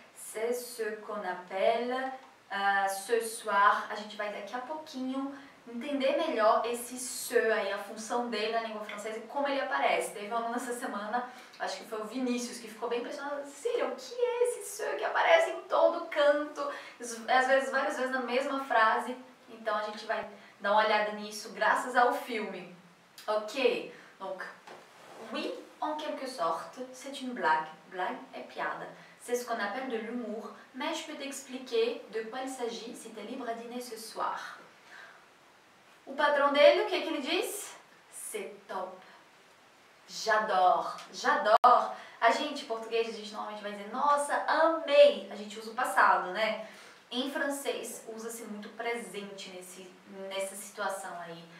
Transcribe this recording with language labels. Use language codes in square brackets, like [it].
[fr] C'est ce qu'on appelle [pt] ce soir, a gente vai daqui a pouquinho entender melhor esse ce aí, a função dele na língua francesa e como ele aparece. Teve um aluno essa semana, acho que foi o Vinícius, que ficou bem impressionado. Círio, o que é esse ce que aparece em todo canto, às vezes, várias vezes na mesma frase? Então a gente vai dar uma olhada nisso graças ao filme. [fr] Ok, donc, oui, en quelque sorte, c'est une blague. Blague [pt] é piada. [fr] C'est ce qu'on appelle de l'humour, mais je peux t'expliquer de quoi il s'agit si t'es libre à dîner ce soir. [pt] O patrão dele, o que que ele diz? [fr] C'est top. J'adore. [pt] A gente, português, a gente normalmente vai dizer, nossa, amei. A gente usa o passado, né? Em francês, usa-se muito presente nessa situação aí.